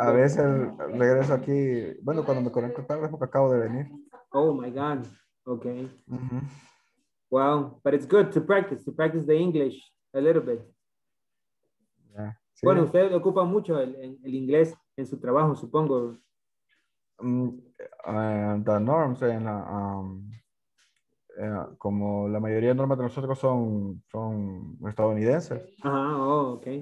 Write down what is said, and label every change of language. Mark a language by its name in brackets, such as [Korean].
[Spanish] A veces regreso aquí, bueno, cuando me conecto tarde porque acabo de venir. [English] Oh my God. Okay. Mm-hmm. Well, but it's good to practice the English a little bit. Yeah. [Spanish] Sí. Bueno, usted ocupa mucho el inglés en su trabajo, supongo. [English] The norms and [Spanish] como la mayoría de normas de nosotros son estadounidenses. [English] Ah, oh, okay.